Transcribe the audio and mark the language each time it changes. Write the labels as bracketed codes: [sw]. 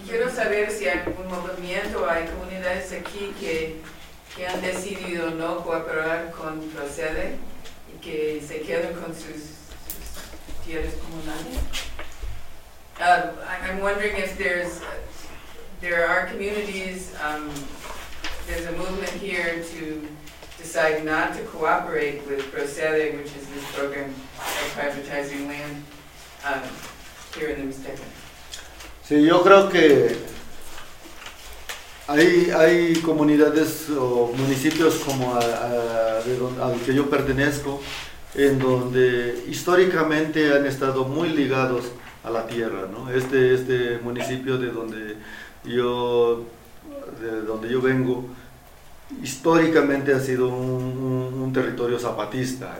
[es] Quiero saber si hay un movimiento, hay comunidades aquí que han decidido no cooperar con Procede y que se quedan con sus tierras comunales. [en] I'm wondering if there are communities, there's a movement here to decide not to cooperate with Procede, which is this program of privatizing land here in the Mixteca. [es] Sí, yo creo que hay comunidades o municipios como al que yo pertenezco, en donde históricamente han estado muy ligados a la tierra, ¿no? Este municipio de donde yo vengo, históricamente ha sido un territorio zapatista.